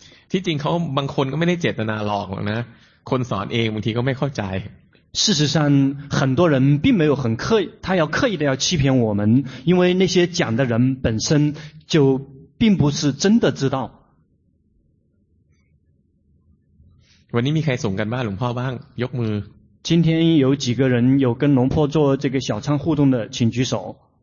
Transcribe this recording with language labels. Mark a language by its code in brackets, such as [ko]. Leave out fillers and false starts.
[th] ที่จริงเขาบางคนก็ไม่ได้เจตนาหลอกนะคนสอนเองบางทีก็ไม่เข้าใจ [zh] 事实上很多人并没有很刻意他要刻意的要欺骗我们因为那些讲的人本身就并不是真的知道 [th] วันนี้มีใครส่งกันบ้างหลวงพ่อบ้างยกมือ [zh] 今天有几个人有跟龙坡做这个小仓互动的请举手